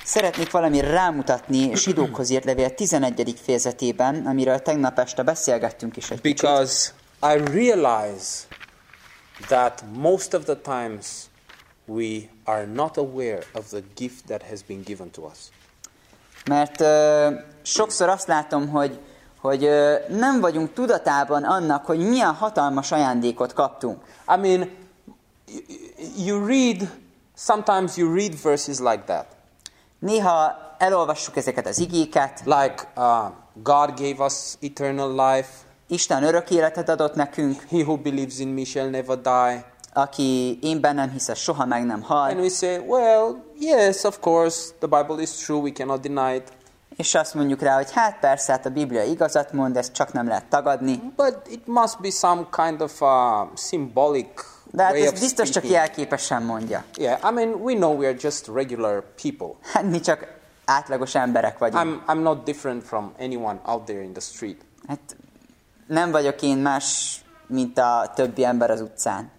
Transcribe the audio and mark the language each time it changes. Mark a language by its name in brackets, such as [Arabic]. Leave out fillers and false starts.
[Hungarian] Szeretnék valami rámutatni Zsidókhoz írt levél 11. fejezetében, amiről tegnap este beszélgettünk is egy kicsit. [English] Because I realize that most of the times we are not aware of the gift that has been given to us. [Hungarian] Mert sokszor azt látom, hogy hogy nem vagyunk tudatában annak, hogy milyen hatalmas ajándékot kaptunk. [English] I mean, you read, sometimes you read verses like that. [Hungarian] Néha elolvassuk ezeket az igéket. [English] Like, God gave us eternal life. [Hungarian] Isten örök életet adott nekünk. [English] He who believes in me shall never die. [Hungarian] Aki én bennem hiszel, soha meg nem hal. [English] And we say, well, yes, of course, the Bible is true, we cannot deny it. [Hungarian] És azt mondjuk rá, hogy hát persze, hát a Biblia igazat mond, ezt csak nem lehet tagadni. [English] But it must be some kind of a symbolic [Hungarian] de hát [English] way [Hungarian] ez biztos [English] speaking. [Hungarian] Csak jelképesen mondja. [English] Yeah, I mean, we know we are just regular people. [Hungarian] Hát mi csak átlagos emberek vagyunk. [English] I'm not different from anyone out there in the street. [Hungarian] Hát nem vagyok én más, mint a többi ember az utcán.